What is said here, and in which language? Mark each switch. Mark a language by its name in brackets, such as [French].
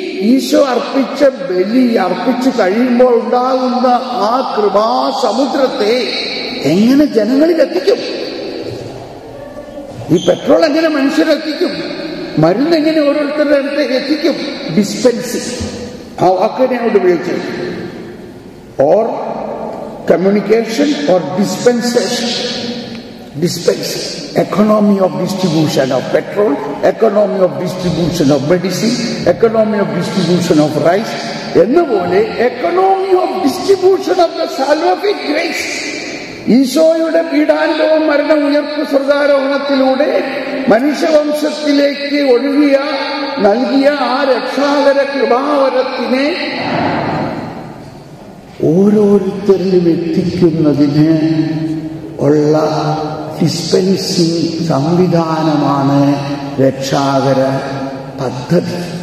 [Malayalam] ഈശോ അർപ്പിച്ച ബലി അർപ്പിച്ചു കഴിയുമ്പോൾ ഉണ്ടാകുന്ന ആ കൃപാസമുദ്രത്തെ എങ്ങനെ ജനങ്ങളിൽ എത്തിക്കും? ഈ പെട്രോൾ എങ്ങനെ മനുഷ്യരെത്തിക്കും? മരുന്ന് എങ്ങനെ ഓരോരുത്തരുടെ അടുത്തേക്ക് എത്തിക്കും? ഡിസ്പെൻസ്, ആ വാക്കിനെ അങ്ങോട്ട് ഉപയോഗിച്ചത്, [English] Or communication or dispensation. dispense, economy of distribution of petrol, economy of distribution of medicine, economy of distribution of rice, and the only economy of distribution of the salvific grace. [Malayalam] ഈശോയുടെ പീഡാനവും മരണ ഉയർപ്പുസർഗാരോഹണത്തിലൂടെ മനുഷ്യവംശത്തിലേക്ക് ഒഴുകിയ നൽകിയ ആ രക്ഷാകര കൃപാവരത്തിനെ ഓരോരുത്തരിലും എത്തിക്കുന്നതിന് ഉള്ള ഡിസ്പെൻസിംഗ് സംവിധാനമാണ് രക്ഷാകര പദ്ധതി.